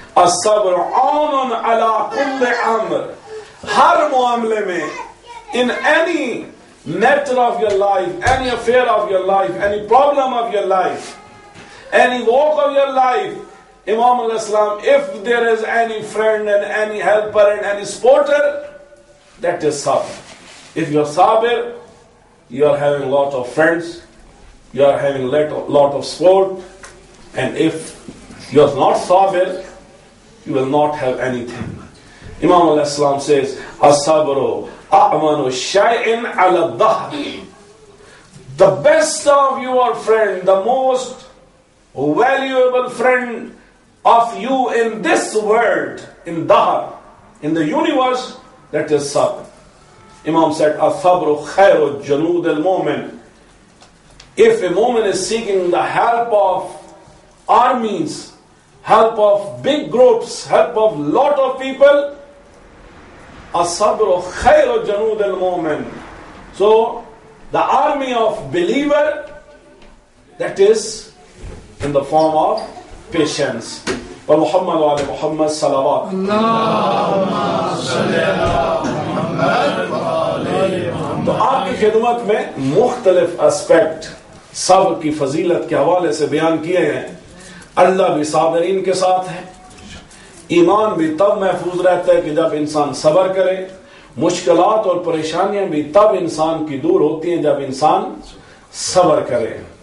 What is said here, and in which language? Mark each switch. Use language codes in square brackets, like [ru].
[ar] अस्सब्र आनन अला कुल्ले अम्र, [ur] हर मामले में, [en] In any matter of your life, any affair of your life, any problem of your life, any walk of your life, Imam al-Islam, if there is any friend and any helper and any supporter, that is sabr. If you are sabir, you are having a lot of friends, you are having a lot of support, and if you are not sabir, you will not have anything. Imam al-Islam says, [ar] "As-sabru a'manu shay'in 'ala dhahri." [en] The best of your friend, the most valuable friend of you in this world, in dahar, in the universe, that is sabr. Imam said, [ar] "As-sabru khayru junud al-mu'min." [en] If a mu'min is seeking the help of armies, help of big groups, help of lot of people, as-sabru khayru junud al-mu'min. So, the army of believer, that is in the form of patience. [ar] ومحمد وعلى محمد صلوات. اللهم صل على محمد وعلى محمد. [ur] تو آپ کی خدمت میں مختلف اسپیکٹ صبر کی فضیلت کے حوالے سے بیان کیے ہیں. اللہ بھی صابرین کے ساتھ ہے, ایمان بھی تب محفوظ رہتا ہے کہ جب انسان صبر کرے, مشکلات اور پریشانیاں بھی تب انسان کی دور ہوتی ہیں جب انسان صبر کرے.